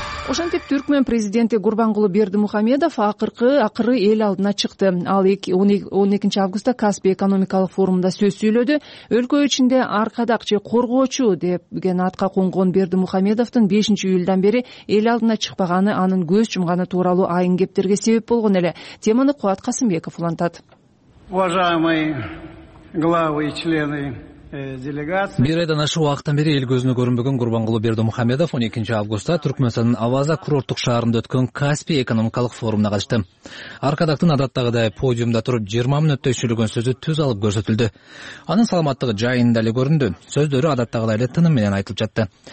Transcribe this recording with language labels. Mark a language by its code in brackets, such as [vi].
[ky] Ошентип, түркмөн президенти Гурбангулу Бердимухамедов акыры эл алдына чыкты. Ал 12 августта Каспий экономикалык форумунда сөз сүйлөдү. Өлкө ичинде аркадак же коргоочу деген атка конгон Бердимухамедовдун 5 июлдан бери эл алдына чыкпаганы анын көз жумганы тууралуу айын кептерге себеп болгон эле. Теманы Кубат Касымбеков улантат. [ru] Уважаемые главы и члены делегация. [ky] Бир айдан ашык убакыттан бери эл көзүнө көрүнбөгөн Гурбангулу Бердимухамедов 12 августта Түркмөнстандын Аваза курорттук шаарында өткөн Каспий экономикалык форумуна катышты. Аркадактын адаттагыдай подиумда туруп 20 мүнөттөй сүйлөгөн сөзү түз алып көрсөтүлдү. Анын саламаттыгы жайында эле көрүндү. Сөздөрү адаттагыдай эле тыным менен айтылып жатты.